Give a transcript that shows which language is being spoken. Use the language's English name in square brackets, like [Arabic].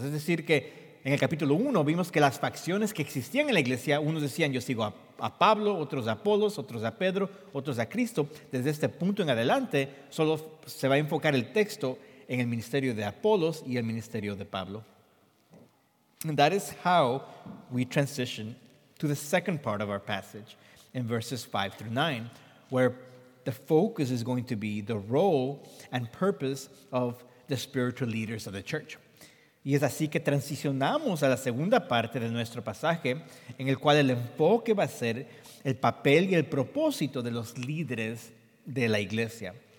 [Spanish] Es decir que en el capítulo 1 vimos que las facciones que existían en la iglesia, unos decían yo sigo a Pablo, otros a Apolos, otros a Pedro, otros a Cristo. Desde este punto en adelante solo se va a enfocar el texto en el ministerio de Apolos y el ministerio de Pablo. [English] And that is how we transition to the second part of our passage in verses 5 through 9, where the focus is going to be the role and purpose of the spiritual leaders of the church. [Spanish] Y es así que transicionamos a la segunda parte de nuestro pasaje, en el cual el enfoque va a ser el papel y el propósito de los líderes de la iglesia.